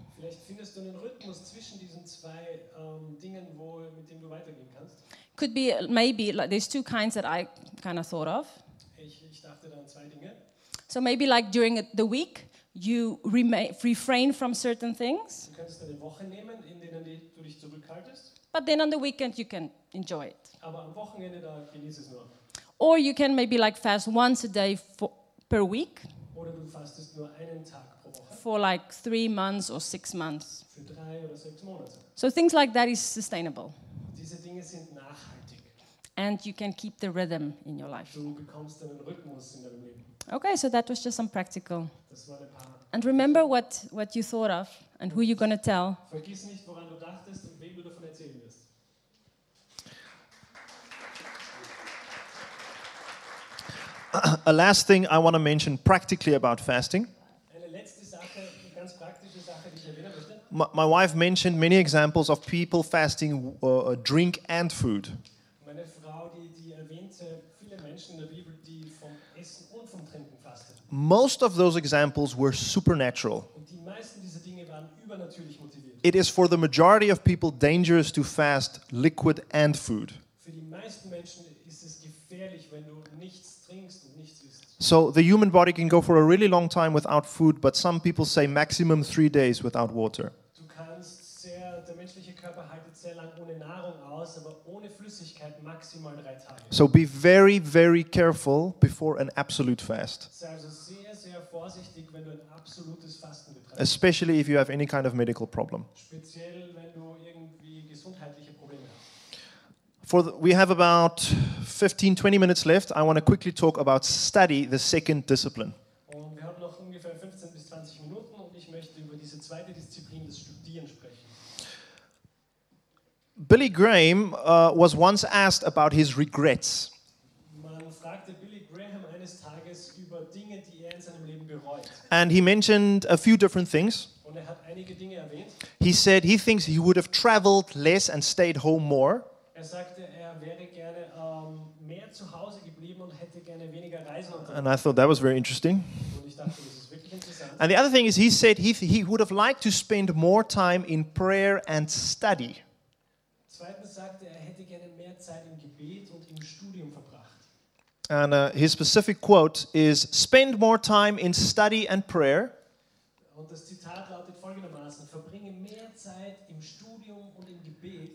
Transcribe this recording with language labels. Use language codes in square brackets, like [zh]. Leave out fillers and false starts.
[de] Vielleicht findest du einen Rhythmus zwischen diesen zwei Dingen, wo mit dem du weitergehen kannst. [en] Could be maybe like there's two kinds that I kind of thought of. [de] Ich dachte dann zwei Dinge. [en] So maybe like during the week you refrain from certain things. [de] Du kannst eine Woche nehmen, in denen du dich zurückhaltest. [en] But then on the weekend you can enjoy it. [de] Aber am Wochenende da genieß es nur. [en] Or you can maybe like fast once a day per week. [de] Oder du fastest nur einen Tag pro Woche. [en] For like 3 months or 6 months. [de] Für 3 oder 6 Monate. [en] So things like that is sustainable. [de] Diese Dinge sind nachhaltig. [en] And you can keep the rhythm in your life. [de] Du bekommst einen Rhythmus in deinem Leben. [en] Okay, so that was just some practical. [de] Das war ein paar. [en] And remember what you thought of and who you're going to tell. [de] Vergiss nicht, woran du dachtest und wem du davon erzählen wirst. [en] A last thing I want to mention practically about fasting. [de] Eine letzte Sache, eine ganz praktische Sache, die ich erwähnen möchte. [en] My wife mentioned many examples of people fasting drink and food. [de] Meine Frau, die erwähnte viele Menschen in der Bibel, die vom Essen und vom Trinken fasteten. [en] Most of those examples were supernatural. [de] Und die meisten dieser Dinge waren übernatürlich motiviert. [en] It is for the majority of people dangerous to fast liquid and food. [de] Für die meisten Menschen ist es gefährlich, wenn du nichts trinkst und nichts isst. [en] So the human body can go for a really long time without food, but some people say maximum 3 days without water. [de] Du kannst sehr, der menschliche Körper haltet sehr lang ohne Nahrung aus, aber ohne Flüssigkeit maximal 3 Tage. [en] So be very, very careful before an absolute fast. [de] Sei also sehr, sehr vorsichtig, wenn du ein absolutes Fasten betreibst. [en] Especially if you have any kind of medical problem. [de] Speziell wenn du irgendwie gesundheitliche Probleme hast. [en] We have about 15, 20 minutes left. I want to quickly talk about study, the second discipline. [de] Und wir haben noch ungefähr 15 bis 20 Minuten und ich möchte über diese zweite Disziplin, das Studieren, sprechen. [en] Billy Graham was once asked about his regrets. [de] Man fragte Billy Graham eines Tages über Dinge, die in seinem Leben bereut. [en] And he mentioned a few different things. [de] Und hat einige Dinge erwähnt. [en] He said he thinks he would have traveled less and stayed home more. [de] Er sagte, er wäre gerne mehr zu Hause geblieben und hätte gerne weniger Reisen unternommen. [en] And I thought that was very interesting. [de] Und ich dachte, das ist wirklich interessant. [en] And the other thing is, he said he would have liked to spend more time in prayer and study. [de] Zweitens sagte er, hätte gerne mehr Zeit im Gebet und im Studium verbracht. [en] And his specific quote is, spend more time in study and prayer. [de] Und das Zitat lautet folgendermaßen, verbringe mehr Zeit im Studium und im Gebet.